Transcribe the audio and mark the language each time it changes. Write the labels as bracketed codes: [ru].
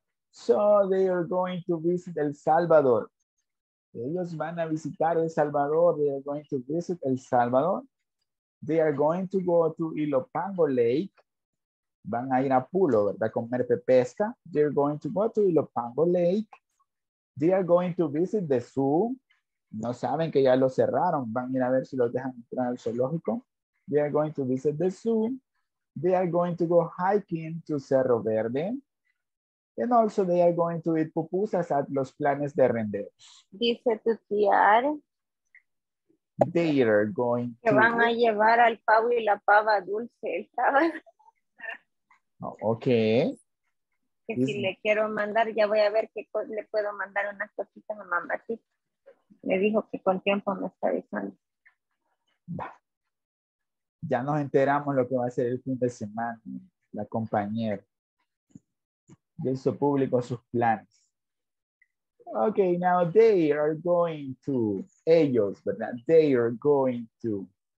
[en] So they are going to visit El Salvador. Ellos van a visitar El Salvador. They are going to visit El Salvador. They are going to go to Ilopango Lake. [es] Van a ir a Pulo, ¿verdad? Comer pepesca. They are going to go to Ilopango Lake. [en] They are going to visit the zoo. No saben que ya lo cerraron. [es] Van a ir a ver si los dejan entrar al zoológico. [en] They are going to visit the zoo. They are going to go hiking to Cerro Verde. And also they are going to eat pupusas at Los Planes de Renderos. [es] Dice tu tía. [en] They are going [es] que van [en] to... [es] a llevar al pavo y la pava dulce. Oh, okay. Que si le quiero mandar, ya voy a ver que le puedo mandar unas cositas a mamá. Sí. Me dijo que con tiempo me está avisando. Ya nos enteramos lo que va a ser el fin de semana, la compañera. Hizo público sus planes. [en] Okay, now they are going to, ellos, but not they are going to.